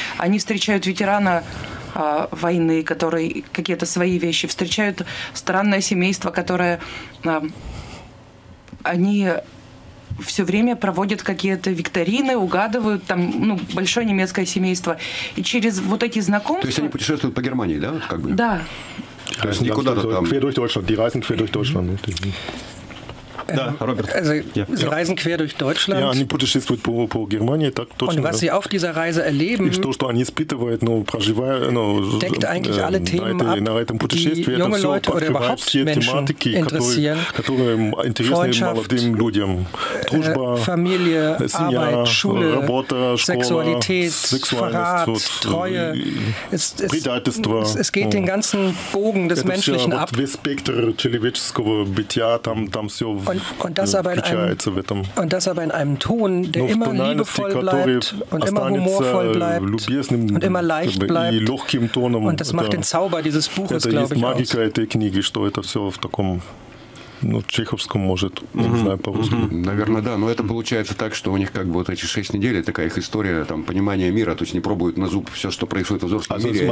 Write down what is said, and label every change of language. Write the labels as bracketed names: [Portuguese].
[Russian] Они встречают ветерана войны, который какие-то свои вещи. Встречают странное семейство, которое они все время проводят какие-то викторины, угадывают, там, ну, большое немецкое семейство. И через вот эти знакомства... То есть они путешествуют по Германии, да, вот как бы? Да. То есть никуда-то там... [German] Quer durch Deutschland, die reisen quer durch Deutschland. [Russian] Да, Роберт. [German] Also, sie reisen quer durch Deutschland. [Russian] Ja, они путешествуют по Германии, так точно. [German] Und was sie auf dieser Reise erleben... [Russian] И что они испытывают, ну, проживают, ну... [German] Deckt eigentlich alle Themen ab, die junge Leute oder überhaupt Menschen interessieren. [Russian] Которые интересны молодым людям. Дружба, [German] Familie, [Russian] семья, [German] Arbeit, Schule, [Russian] работа, [German] Sexualität, Verrat, Treue. [Russian] Предательство. [German] Es geht den ganzen Bogen des Menschlichen ab. [Russian] Это все весь спектр человеческого бытия, там все... [German] Und und das aber in einem, und das aber in einem Ton, der immer liebevoll бleibt und immer humorvoll бleibt und immer leicht bleibt. Und das macht den Zauber dieses Buches, glaube ich, aus. [Russian] Это есть магика этой книги, что это все в таком... Ну, чеховском, может, не знаю, по-русски. Наверное, да, но это получается так, что у них как бы вот эти шесть недель, такая их история, там, понимание мира, то есть они пробуют на зуб все, что происходит в Азовском мире,